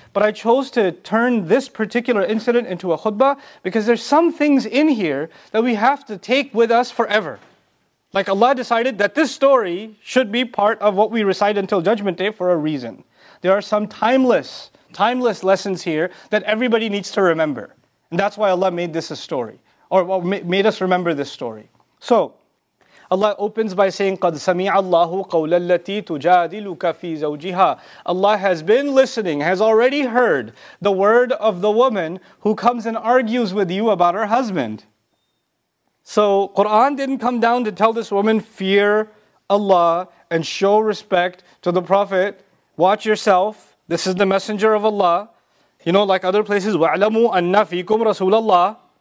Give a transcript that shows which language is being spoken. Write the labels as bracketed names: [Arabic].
[English] But I chose to turn this particular incident into a khutbah because there's some things in here that we have to take with us forever. Like Allah decided that this story should be part of what we recite until Judgment Day for a reason. There are some timeless lessons here that everybody needs to remember. And that's why Allah made this a story, or made us remember this story. So, Allah opens by saying, [Arabic] قَدْ سَمِعَ اللَّهُ قَوْلَ الَّتِي تُجَادِلُكَ فِي زَوْجِهَا. [English] Allah has been listening, has already heard the word of the woman who comes and argues with you about her husband. So Quran didn't come down to tell this woman, fear Allah and show respect to the Prophet. Watch yourself. This is the Messenger of Allah. You know, like other places, [Arabic] وَعْلَمُوا أَنَّ فِيكُمْ رَسُولَ اللَّهِ.